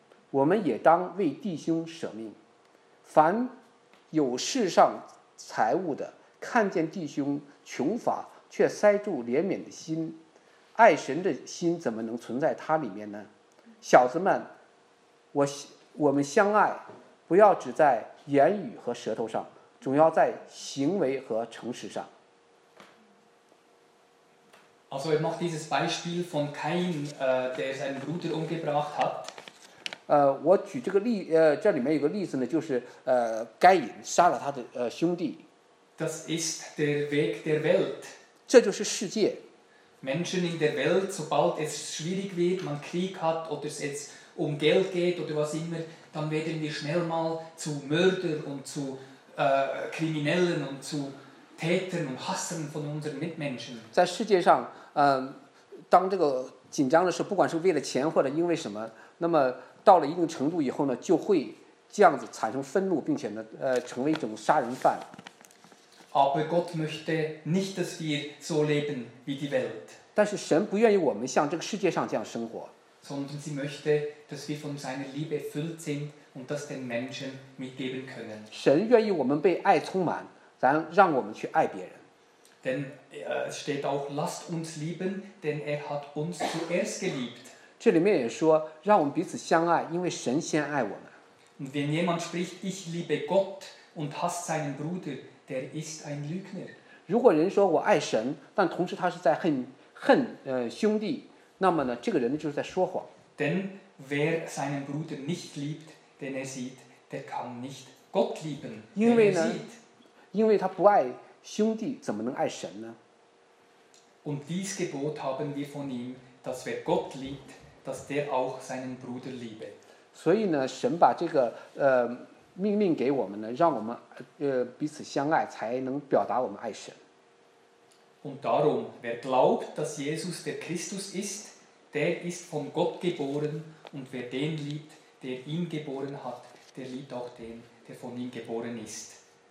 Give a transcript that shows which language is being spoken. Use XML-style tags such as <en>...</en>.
<zh>我们也当为弟兄舍命。凡有世上财物的，看见弟兄穷乏，却塞住怜悯的心，爱神的心怎么能存在他里面呢？小子们，我们相爱，不要只在言语和舌头上，总要在行为和诚实上。</zh> <de>Also er macht dieses Beispiel von Kain, der seinen Bruder umgebracht hat.</de> <zh>我举这个例，这里面有个例子呢，就是该隐杀了他的兄弟。</zh> <de>Das ist der Weg der Welt.</de> <zh>这就是世界。</zh> <de>Menschen in der Welt, sobald es schwierig wird, man Krieg hat oder es jetzt um Geld geht oder was immer, dann werden wir schnell mal zu Mördern und zu Kriminellen und zu Tätern und Hassern von unseren Mitmenschen.</de> <zh>在世界上，当这个紧张的时候，不管是为了钱或者因为什么，那么到了一定程度以后呢，就会这样子产生愤怒，并且呢，成为一种杀人犯。</zh> <de>Aber Gott möchte nicht, dass wir so leben wie die Welt.</de> <zh>但是神不愿意我们像这个世界上这样生活。</zh> <de>Sondern sie möchte, dass wir von seiner Liebe erfüllt sind und das den Menschen mitgeben können.</de> <zh>神愿意我们被爱充满，让我们去爱别人。</zh> <de>Denn es steht auch, lasst uns lieben, denn er hat uns zuerst geliebt.</de> <zh>这里面也说，让我们彼此相爱，因为神先爱我们。</zh> <de>Und wenn jemand spricht, ich liebe Gott und hasse seinen Bruder, der ist ein Lügner.</de> <zh>如果人说我爱神，但同时他是在恨兄弟，那么呢，这个人就是在说谎。</zh> <de>Denn wer seinen Bruder nicht liebt, den er sieht, der kann nicht Gott lieben, den er sieht.</de> <zh>因为他不爱兄弟，怎么能爱神呢？</zh> <de>Und dies Gebot haben wir von ihm, dass wer Gott liebt, dass der auch seinen Bruder liebe.</de> <zh>所以呢，神把这个命令给我们呢，让我们彼此相爱，才能表达我们爱神。</zh> <de>Und darum, wer glaubt, dass Jesus der Christus ist, der ist von Gott geboren, und wer den liebt, der ihn geboren hat, der liebt auch den, der von ihm geboren ist.</de>